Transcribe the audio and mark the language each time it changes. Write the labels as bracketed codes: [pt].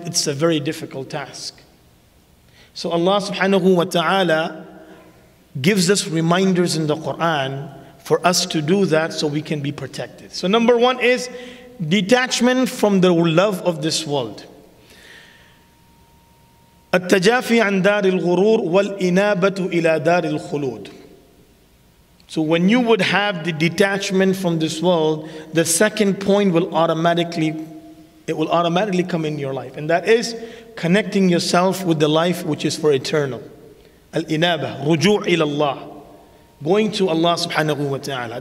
[en] It's a very difficult task. So Allah subhanahu wa ta'ala gives us reminders in the Quran for us to do that so we can be protected. So number one is detachment from the love of this world. [ar] التجافي عن دار الغرور والإنابة إلى دار الخلود. [en] So when you would have the detachment from this world, the second point will automatically, it will automatically come in your life. And that is connecting yourself with the life which is for eternal. [ar] الإنابة, رجوع إلى الله. [en] Going to Allah subhanahu wa ta'ala.